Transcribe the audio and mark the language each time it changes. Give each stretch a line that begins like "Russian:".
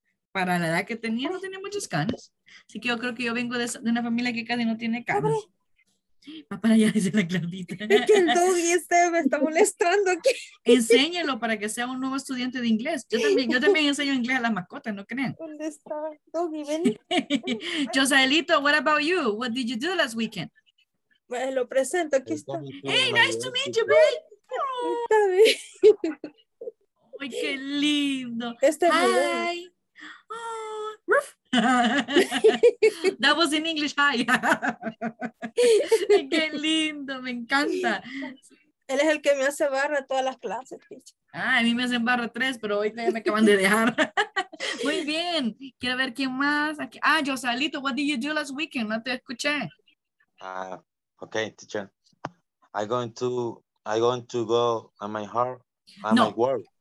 Spanish: Para la edad que tenía, no tenía muchas canas. Así que yo creo que yo vengo de una familia que casi no tiene canas. Va para allá, dice la Claudita. Es que el Doug y este me está molestando aquí. Enséñalo para que sea un nuevo estudiante de inglés. Yo también enseño inglés a las mascotas, ¿no creen? ¿Dónde está Doug? Ven.
English: Joselito, what about you? What did you do last weekend?
Spanish: Pues lo presento, aquí está.
English: Hey, nice to meet you, babe.
Spanish: Oh, ¡ay, qué lindo! Este
English: hi. Oh, ruff. That was in English, hi.
Spanish: ¡Qué lindo! Me encanta. Él es el que me hace barra todas las clases, picha. Ah, a mí me hacen barra tres, pero hoy me acaban de dejar. Muy bien. Quiero ver quién más. Aquí.
English: Ah, Josalito, what did you do last weekend?
Spanish: No te escuché.
English: Okay, teacher. I'm going to go on my heart and no. My work.